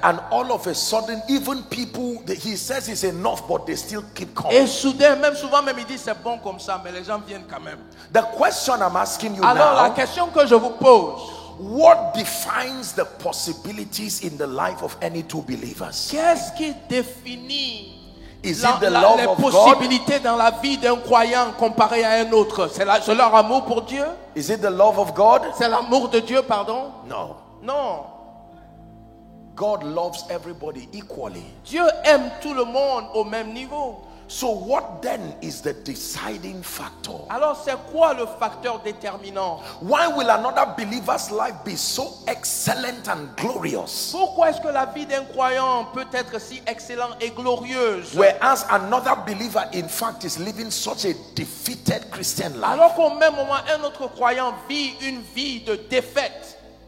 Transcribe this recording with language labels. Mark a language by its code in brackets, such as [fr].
[en] And all of a sudden, even people, he says it's enough, but they still keep coming. [fr] Et soudain, même souvent, même il dit c'est bon comme ça, mais les gens viennent quand même. [en] The question I'm asking you [fr] alors, [en] now. [fr] Alors la question que je vous pose. [en] What defines the possibilities in the life of any two believers? [fr] Qu'est-ce qui définit [en] is it the love [fr] les possibilités dans la vie d'un croyant comparé à un autre? C'est leur amour pour Dieu? [en] Is it the love of God? [fr] C'est l'amour de Dieu, pardon? [en] No. [fr] Non. [en] God loves everybody equally. [fr] Dieu aime tout le monde au même niveau. [en] So what then is the deciding factor? [fr] Alors c'est quoi le facteur déterminant? [en] Why will another believer's life be so excellent and glorious? [fr] Pourquoi est-ce que la vie d'un croyant peut être si excellente et glorieuse? [en] Whereas another believer in fact is living such a defeated Christian life. [fr] Alors qu'au même moment un autre croyant vit une vie de défaite.